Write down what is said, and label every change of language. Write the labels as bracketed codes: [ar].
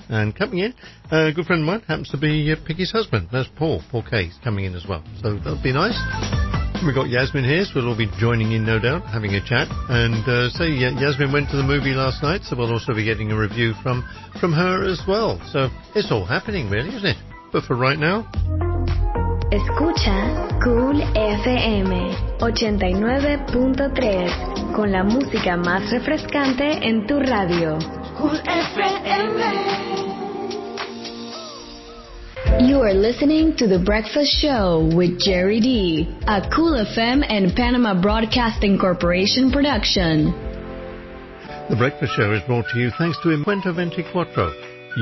[en] And coming in, a good friend of mine happens to be Piki's husband. That's Paul Kay, coming in as well. So that'll be nice. We've got Yasmin here, so we'll all be joining in, no doubt, having a chat. And Yasmin went to the movie last night, so we'll also be getting a review from her as well. So it's all happening, really, isn't it? But for right now... [es] Escucha Cool FM 89.3 con la música más refrescante en tu radio. [en] Cool FM. You are listening to The Breakfast Show with Jerry D, a Cool FM and Panama Broadcasting Corporation production. The Breakfast Show is brought to you thanks to Encuentro 24.